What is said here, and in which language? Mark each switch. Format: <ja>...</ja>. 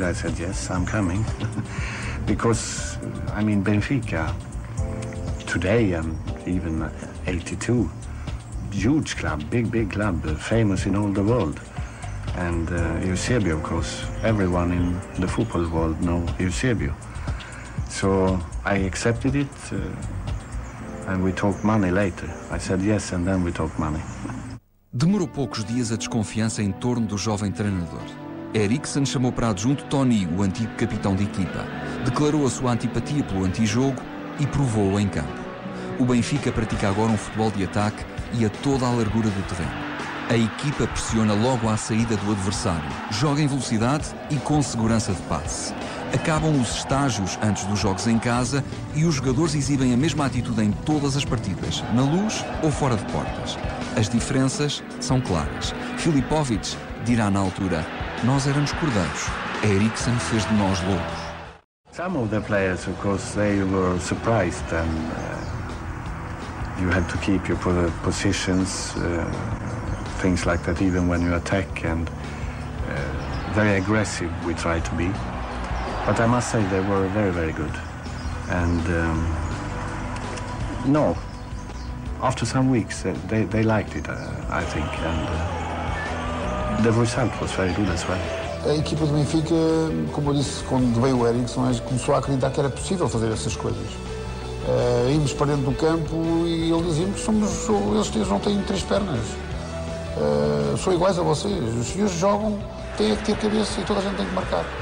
<en>I said, yes, I'm coming. Because, I mean, Benfica, today and even 82, huge club, big club, famous in all the world. And Eusebio, of course, everyone in the football world know Eusebio. So I accepted it. And we talk money later. I said yes, and then we talk money.</en> <pt>Demorou poucos dias a desconfiança em torno do jovem treinador. Eriksson chamou para adjunto Tony, o antigo capitão de equipa. Declarou a sua antipatia pelo antijogo e provou-o em campo. O Benfica pratica agora um futebol de ataque e a toda a largura do terreno. A equipa pressiona logo à saída do adversário. Joga em velocidade e com segurança de passe. Acabam os estágios antes dos jogos em casa e os jogadores exibem a mesma atitude em todas as partidas, na luz ou fora de portas. As diferenças são claras. Filipović dirá na altura: nós éramos cordeiros, Eriksson fez de nós loucos.</pt> <en>Some of the players, of course, they were surprised and you had to keep your positions, things like that, even when you attack, and very aggressive we try to be. But I must say they were very, very good. And no, after some weeks they liked it, I think. And the result was very good as well.</en> <pt>A equipa do Benfica, como eu disse, quando veio o Eriksson, começou a acreditar que era possível fazer essas coisas. Íamos para dentro do campo e ele dizia-me que eles não têm três pernas. São iguais a vocês. Os senhores jogam, têm que ter cabeça e toda a gente tem que marcar.</pt>